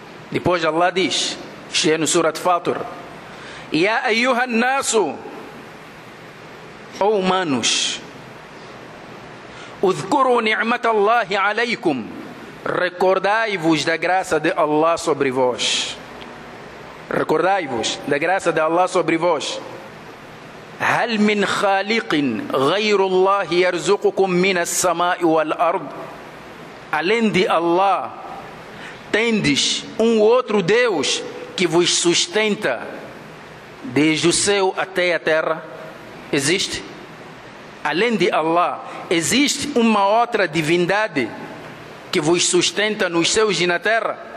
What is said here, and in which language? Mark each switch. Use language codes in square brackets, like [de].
[pt] Depois Allah diz, isto é no Surat Fatur: [ar] يَا أَيُّهَا النَّاسُ, [pt] ou humanos, [ar] اُذْكُرُوا نِعْمَةَ اللَّهِ عَلَيْكُمْ, [pt] recordai-vos da graça de Allah sobre vós. Recordai-vos da graça de Allah sobre vós. [ar] هل من خالق غير الله يرزقكم من السماء والأرض. [pt] Além de Allah, tendes um outro Deus que vos sustenta desde o céu até a terra? Existe? Além de Allah, existe uma outra divindade que vos sustenta nos céus e na terra?